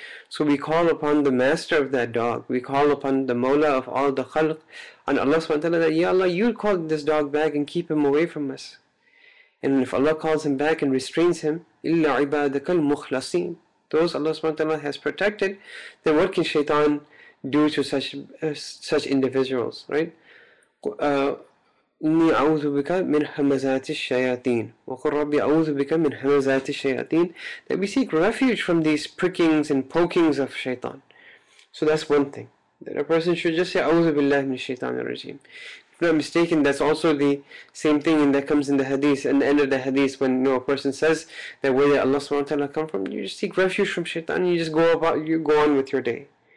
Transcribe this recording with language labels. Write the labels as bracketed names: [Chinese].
[English] So we call upon the master of that dog. We call upon the Mawla of all the khalq, and Allah subhanahu wa ta'ala, that, ya Allah, you call this dog back and keep him away from us. And if Allah calls him back and restrains him, illa ibadaka al-mukhlasin, those Allah subhanahu wa ta'ala has protected, then what can shaitan do to such individuals, right? [Arabic] إني أعوذ بك من همزات الشياطين وقل ربي أعوذ بك من همزات الشياطين. [English] That we seek refuge from these prickings and pokings of shaitan. So that's one thing. That a person should just say [Arabic] أعوذ بالله من الشيطان الرجيم. [English] If not mistaken, that's also the same thing that comes in the hadith, in the end of the hadith, when a person says that where did Allah subhanahu wa ta'ala come from, you just seek refuge from shaitan, you just go on with your day.